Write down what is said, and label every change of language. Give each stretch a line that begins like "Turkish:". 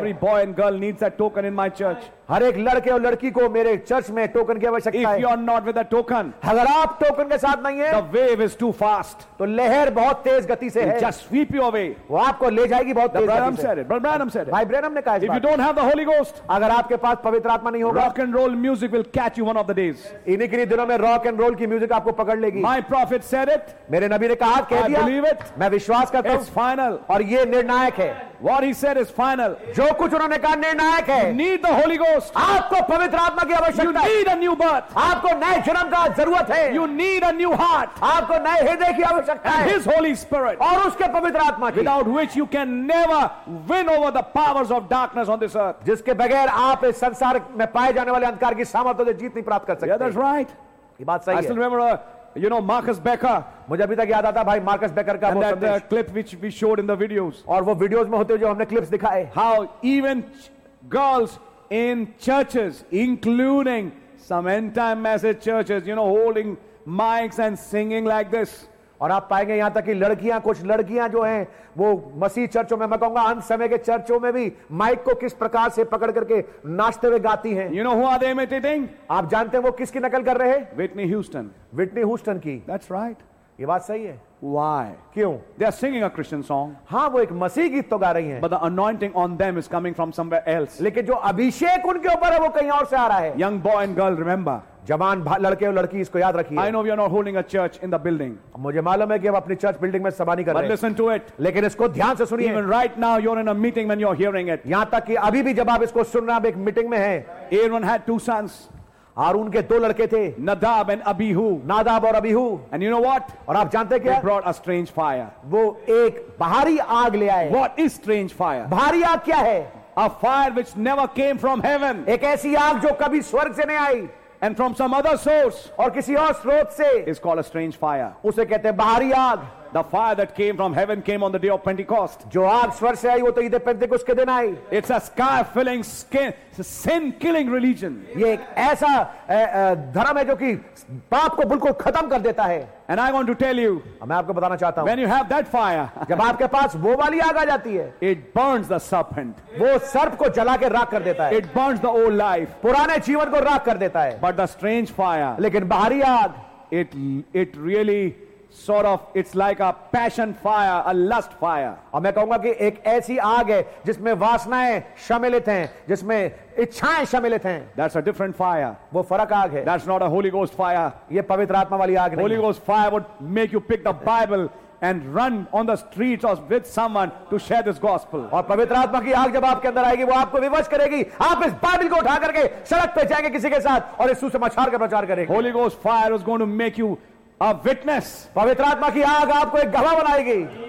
English: Every boy and girl needs a token in my church.
Hindi: हर एक लड़के और लड़की को मेरे चर्च में टोकन की आवश्यकता है।
English: If you are not with a token,
Hindi: अगर आप टोकन के साथ नहीं है,
English: the wave is too fast,
Hindi: तो लहर बहुत तेज गति से है।
English: Just sweep you away,
Hindi: वो आपको ले जाएगी बहुत तेज गति से।
English: Branham said it.
Hindi: भाई ब्रैनम ने कहा इस बात।
English: If you don't have the Holy Ghost,
Hindi: अगर आपके पास पवित्र आत्मा नहीं होगा,
English: rock and roll music will catch you one of the days.
Hindi: इन्हीं के लिए दिनों में रॉक एंड रोल की म्यूजिक आपको पकड़ लेगी।
English: My prophet said it,
Hindi: मेरे नबी ने कहा, कह दिया।
English: I believe it,
Hindi: मैं विश्वास करता हूँ।
English: It's final,
Hindi: और ये निर्णायक है।
English: What he said is final.
Hindi: जो कुछ उन्होंने कहा निर्णायक है।
English: You need the Holy Ghost.
Hindi: आपको पवित्र आत्मा की आवश्यकता है।
English: You need a new birth.
Hindi: आपको नए जन्म का जरूरत है।
English: You need a new heart.
Hindi: आपको नए हृदय की आवश्यकता है।
English: His Holy Spirit.
Hindi: और उसके पवित्र आत्मा की।
English: Without which you can never win over the powers of darkness on this earth.
Hindi: जिसके बगैर आप इस संसार में पाए जाने वाले अंधकार की सामर्थ्य से जीत नहीं प्राप्त कर सकते।
English: Yeah, that's right.
Hindi: ये बात सही है।
English: I still remember you know Marcus Becker.
Hindi: मुझे अभी तक याद आता भाई मार्कस बेकर का वो संदेश।
English: Clip which we showed in the videos.
Hindi: और वो वीडियोस में होते हुए जो हमने क्लिप्स दिखाए।
English: How even girls in churches, including some end-time message churches, you know, holding mics and singing like this.
Hindi: और आप पाएंगे यहां तक कि लड़कियां, कुछ लड़कियां जो हैं, वो मसीह चर्चों में, मैं कहूंगा अंत समय के चर्चों में भी माइक को किस प्रकार से पकड़ करके नाचते हुए गाती हैं।
English: You know who are they imitating?
Hindi: आप जानते हैं वो किसकी नकल कर रहे हैं?
English: Whitney Houston.
Hindi: Whitney Houston की।
English: That's right.
Hindi: ये बात सही है।
English: Why?
Hindi: क्यों?
English: They are singing a Christian song.
Hindi: हाँ, वो एक मसीह गीत तो गा रही हैं।
English: But the anointing on them is coming from somewhere else.
Hindi: लेकिन जो अभिषेक उनके ऊपर है, वो कहीं और से आ रहा है।
English: Young boy and girl, remember.
Hindi: जवान लड़के और लड़की, इसको याद रखिए।
English: I know we are not holding a church in the building.
Hindi: मुझे मालूम है कि हम अपनी चर्च बिल्डिंग में सभा नहीं कर रहे।
English: But listen to it.
Hindi: लेकिन इसको ध्यान से सुनिए।
English: Even right now you're in a meeting when you're hearing it.
Hindi: यहाँ तक कि अभी भी जब आप इसको सुन रहे हैं, एक मीटिंग में हैं।
English: Aaron had two sons.
Hindi: हारून के दो लड़के थे,
English: Nadab and Abihu.
Hindi: नादाब और अबीहू।
English: and you know what,
Hindi: और आप जानते हैं क्या?
English: They brought a strange fire.
Hindi: वो एक बाहरी आग ले आए।
English: What is strange fire?
Hindi: बाहरी आग क्या है?
English: A fire which never came from heaven.
Hindi: एक ऐसी आग जो कभी स्वर्ग से नहीं आई।
English: And from some other source,
Hindi: और किसी और स्रोत से,
English: is called a strange fire.
Hindi: उसे कहते हैं बाहरी आग।
English: The fire that came from heaven came on the day of Pentecost.
Hindi: जो आग स्वर्ग से आई, वो तो ईद पेंटिकोस्ट के दिन आई।
English: It's a sky-filling, sin-killing religion.
Hindi: ये एक ऐसा धर्म है जो कि पाप को बिल्कुल खत्म कर देता है।
English: And I want to tell you,
Hindi: मैं आपको बताना चाहता हूँ।
English: When you have that fire,
Hindi: जब आपके पास वो वाली आग आ जाती है,
English: it burns the serpent.
Hindi: वो सर्प को जला के राख कर देता है।
English: It burns the old life.
Hindi: पुराने जीवन को राख कर देता है।
English: But the strange fire,
Hindi: लेकिन बाहरी आग,
English: it really sort of, it's like a passion fire, a lust fire.
Hindi: और मैं कहूंगा कि एक ऐसी आग है जिसमें वासनाएं सम्मिलित हैं, जिसमें इच्छाएं सम्मिलित हैं।
English: That's a different fire.
Hindi: वो फरक आग है।
English: That's not a Holy Ghost fire.
Hindi: ये पवित्र आत्मा वाली आग नहीं।
English: Holy Ghost fire would make you pick the Bible and run on the streets or with someone to share this gospel.
Hindi: और पवित्र आत्मा की आग जब आपके अंदर आएगी, वो आपको विवश करेगी। आप इस बाइबल को उठा करके सड़क पे जाएंगे किसी के साथ और इस सुसमाचार का प्रचार करेंगे।
English: Holy Ghost fire is going to make you a witness.
Hindi: पवित्र आत्मा की आग आपको एक गवाह बनाएगी।